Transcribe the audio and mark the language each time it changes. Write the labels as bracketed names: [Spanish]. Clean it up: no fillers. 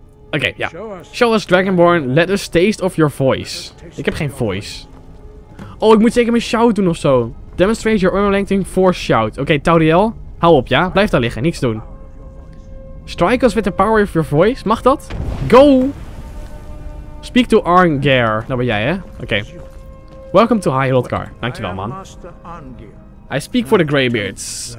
[Dutch] Oké, ja. [English] Show us Dragonborn, let us taste of your voice. [Dutch] Ik heb geen voice. Oh, ik moet zeker mijn shout doen of zo. [English] Demonstrate your armor length in force shout. [Dutch] Oké, Tauriel. Hou op, ja? Blijf daar liggen, niks doen. [English] Strike us with the power of your voice. [Dutch] Mag dat? [English] Go! Speak to Arngeir. [Dutch] Dat ben jij, hè? Oké. [English] Welcome to High Hildgar. [Dutch] Dankjewel, man. [English] I speak for the Greybeards.